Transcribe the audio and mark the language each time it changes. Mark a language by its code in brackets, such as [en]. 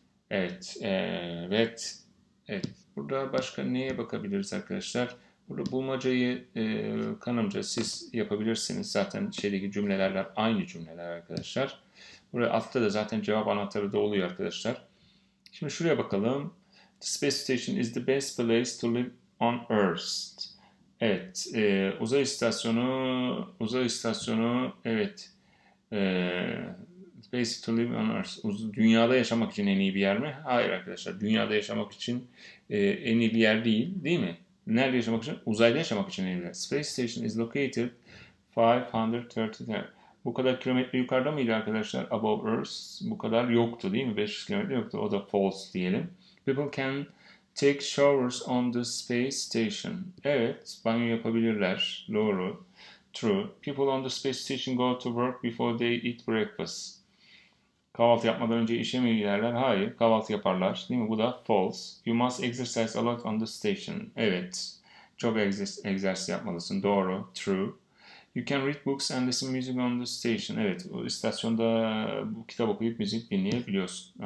[tr] Evet, evet, evet. Burada başka neye bakabiliriz arkadaşlar? Burada bulmacayı kanımca siz yapabilirsiniz. Zaten şeydeki cümlelerler aynı cümleler arkadaşlar. Burada altta da zaten cevap anahtarı da oluyor arkadaşlar. Şimdi şuraya bakalım. [en] The space station is the best place to live on Earth. [tr] Evet, uzay istasyonu, evet. [en] Space to live on Earth. [tr] Dünyada yaşamak için en iyi bir yer mi? Hayır arkadaşlar. Dünyada yaşamak için en iyi bir yer değil. Değil mi? Nerede yaşamak için? Uzayda yaşamak için en iyi bir yer. [en] Space station is located 530. [tr] Bu kadar kilometre yukarıda mıydı arkadaşlar? [en] Above Earth [tr] bu kadar yoktu değil mi? 500 kilometre yoktu. O da false diyelim. [en] People can take showers on the space station. [tr] Evet, banyo yapabilirler. Doğru. True. [en] People on the space station go to work before they eat breakfast. [tr] Kahvaltı yapmadan önce işe mi giderler? Hayır, kahvaltı yaparlar. Değil mi? Bu da false. [en] You must exercise a lot on the station. [tr] Evet. Çok egzersiz yapmalısın. Doğru. True. [en] You can read books and listen to music on the station. [tr] Evet, o istasyonda bu kitap okuyup müzik dinleyebiliyorsun.